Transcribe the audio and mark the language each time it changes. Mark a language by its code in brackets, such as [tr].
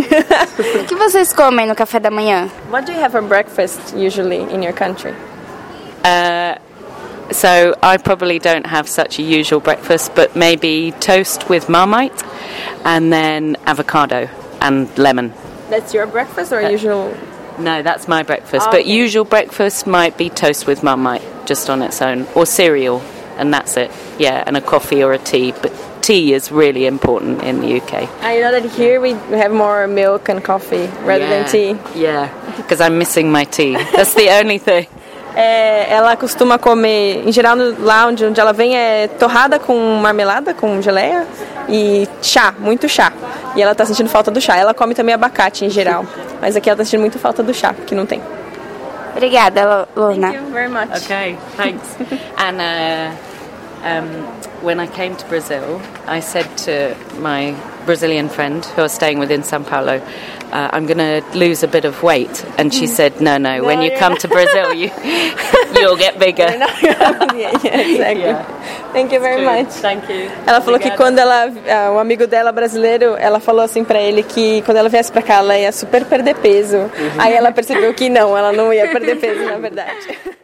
[pt] O que vocês comem no café da manhã? [en] What do you have for breakfast, usually, in your country? So I probably don't have such a usual breakfast, but maybe toast with Marmite, and then avocado and lemon. That's your breakfast or usual? No, that's my breakfast. Oh, but okay. Usual breakfast might be toast with Marmite, just on its own, or cereal, and that's it. Yeah, and a coffee or a tea, but tea is really important in the UK. I know that here we have more milk and coffee rather than tea. Yeah, because I'm missing my tea. That's the only thing. [pt] Ela costuma comer, em geral, lá onde ela vem, é torrada com marmelada, com geleia, e chá, muito chá. E ela tá sentindo falta do chá. Ela come também abacate, em geral. Mas aqui ela tá sentindo muito falta do chá, que não tem. Obrigada, Luna. [en] Thank you very much. Okay, thanks. And when I came to Brazil, I said to my Brazilian friend, who was staying within São Paulo, I'm going to lose a bit of weight. And she said, no, when you come to Brazil, you'll get bigger. Exactly. Yeah. Thank you very much. Thank you. [pt] Ela falou que quando ela, um amigo dela brasileiro, ela falou assim para ele que quando ela viesse para cá, ela ia super perder peso. Aí ela percebeu que não, ela não ia perder peso, na verdade.